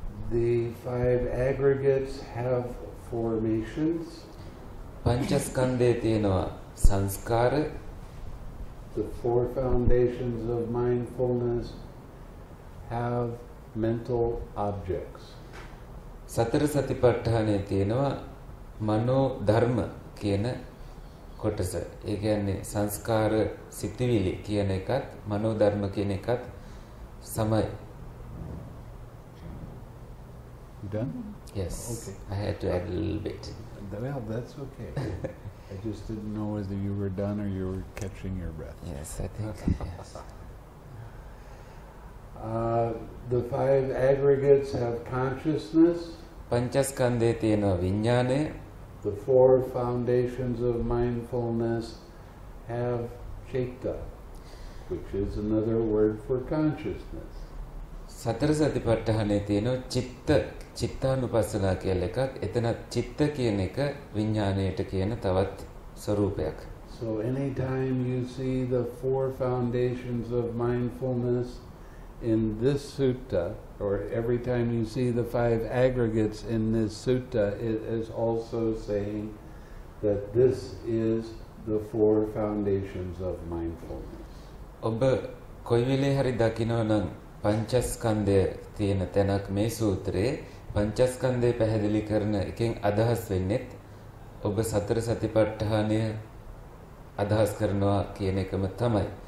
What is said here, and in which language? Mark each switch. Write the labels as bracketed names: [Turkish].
[English] The five aggregates have formations. [Sinhala] පංචස්කන්ධයේ තියෙනවා සංස්කාර. [English] The four foundations of mindfulness have mental objects. [Sinhala] සතර සතිපට්ඨානයේ තියෙනවා මනෝ ධර්ම කියන කොටස. ඒ කියන්නේ සංස්කාර සිතිවිලි කියන එකත් මනෝ ධර්ම කියන එකත් සමයි. [English] You done? Yes. Okay. I had to add a little bit. Well, that's okay. I just didn't know whether you were done or you were catching your breath. Yes, I think. Yes. The five aggregates have consciousness. [Sinhala] Panchaskandhe tena vinyane. [English] The four foundations of mindfulness have chitta, which is another word for consciousness. [Sinhala] සතර සතිපට්ඨානයේ තියෙන චිත්ත චිත්තානුපස්සනා කියලා එකක්. එතන චිත්ත කියන එක විඥාණයට කියන තවත් ස්වරූපයක්. [English] So any time you see the four foundations of mindfulness in this sutta, or every time you see the five aggregates in this sutta, it is also saying that this is the four foundations of mindfulness. [Sinhala] ඔබ කොයි වෙලේ හරි දකිනවනම් පංචස්කන්ධය තියෙන තැනක් මේ සූත්‍රයේ පංචස්කන්ධය පැහැදිලි කරන එකෙන් අදහස් වෙන්නේ ඔබ සතර සතිපට්ඨානය අදහස් කරනවා කියන එකම තමයි.